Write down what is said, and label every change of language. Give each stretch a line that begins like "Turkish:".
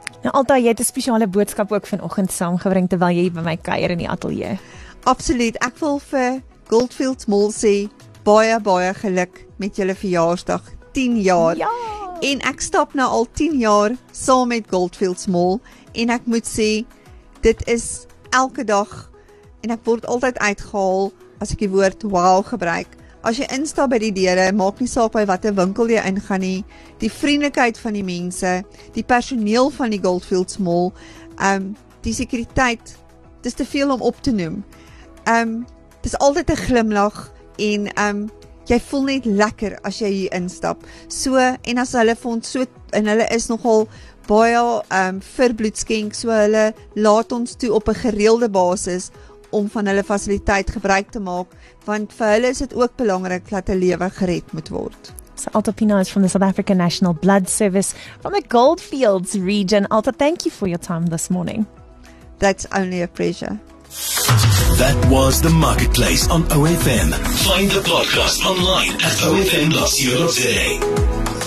Afrikaans: Nou, Alta, jy het 'n spesiale boodskap ook vanoggend saamgebring terwyl jy by my kuier in die ateljee. Absoluut. Ek wil vir Goldfields Mall sê baie baie geluk met julle verjaarsdag, 10 jaar. Ja. En ek stap nou al 10 jaar saam met Goldfields Mall, en ek moet sê dit is elke dag en ek word altyd uitgehaal as ek die woord wow gebruik. As jy instap by die deure, maak nie saak by watter winkel jy ingaan nie, die vriendelikheid van die mense, die personeel van die Goldfields Mall, die sekuriteit, dit is te veel om op te noem. Dit is altyd 'n glimlag en jy voel net lekker as jy hier instap. So, en as hulle vir ons so, en hulle is nogal baie vir bloedskenk, so hulle laat ons toe op 'n gereelde basis om van hulle fasiliteit gebruik te maak, want vir hulle is dit ook belangrik dat 'n lewe gered moet word.
English: So Alta Pienaar is from the South African National Blood Service from the Goldfields region. Alta, thank you for your time this morning. That's only a pleasure. That was The Marketplace on OFM. Find the podcast online at ofm.co.za.